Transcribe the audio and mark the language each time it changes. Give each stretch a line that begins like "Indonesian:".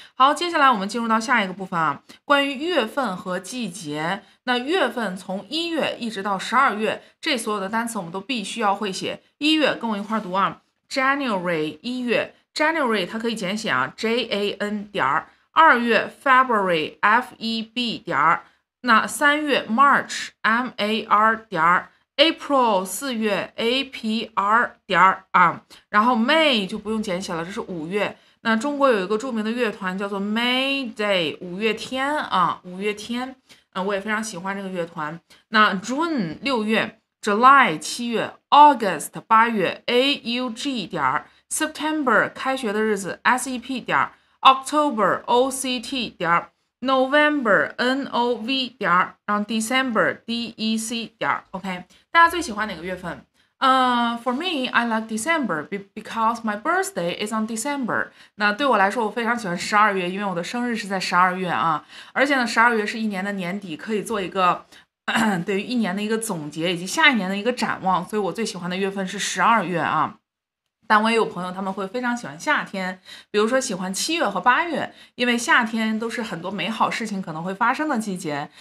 Chinese: 好，接下来我们进入到下一个部分啊，关于月份和季节。那月份从一月一直到十二月，这所有的单词我们都必须要会写。一月跟我一块读啊， January 一月， January 它可以简写啊， J-A-N 点。二月 February， F-E-B 点。那三月 March， M-A-R 点。 April 四月 APR 点啊，然后 May 就不用简写了，这是五月。那中国有一个著名的乐团叫做 May Day， 五月天啊，五月天啊，我也非常喜欢这个乐团。那 June 六月， July 七月， August 八月， AUG 点， September 开学的日子， SEP 点， October OCT 点， November NOV 点，然后 December DEC 点， OK。大家最喜欢哪个月份？
English: For me, I like December because my birthday is on December.
Chinese: 那对我来说，我非常喜欢十二月，因为我的生日是在十二月啊。而且呢，十二月是一年的年底，可以做一个对于一年的一个总结以及下一年的一个展望。所以我最喜欢的月份是十二月啊。但我也有朋友，他们会非常喜欢夏天，比如说喜欢七月和八月，因为夏天都是很多美好事情可能会发生的季节。